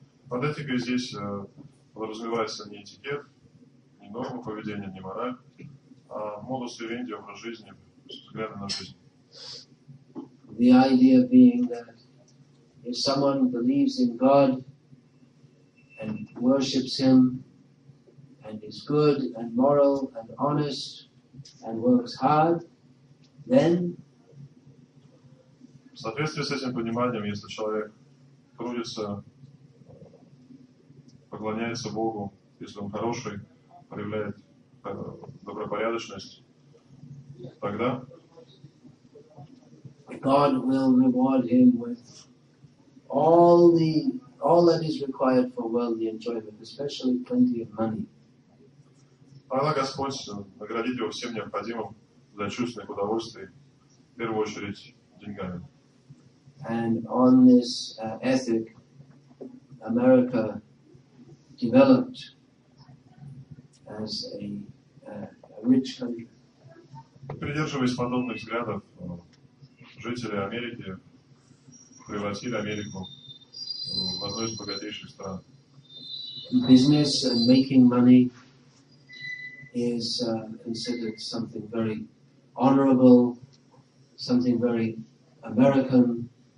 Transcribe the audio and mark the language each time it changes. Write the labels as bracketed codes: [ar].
[ru] Под этикой здесь подразумевается не этикет, не норма поведения, не мораль, а modus vivendi, образ жизни, взгляд на жизнь. [en] The idea being that if someone believes in God and worships Him and is good and moral and honest and works hard, then [ru] в соответствии с этим пониманием, если человек трудится, поклоняется Богу, если он хороший, проявляет добропорядочность, тогда [en] God will reward him with all that is required for worldly enjoyment, especially plenty of money. [ru] Тогда Господь наградит его всем необходимым для чувственных удовольствий, в первую очередь деньгами. [en] And on this ethic, America developed as a rich country. [ru] Придерживаясь подобных взглядов, жители Америки превратили Америку в одну из богатейших стран. [en] Business and making money is considered something very honorable, something very American.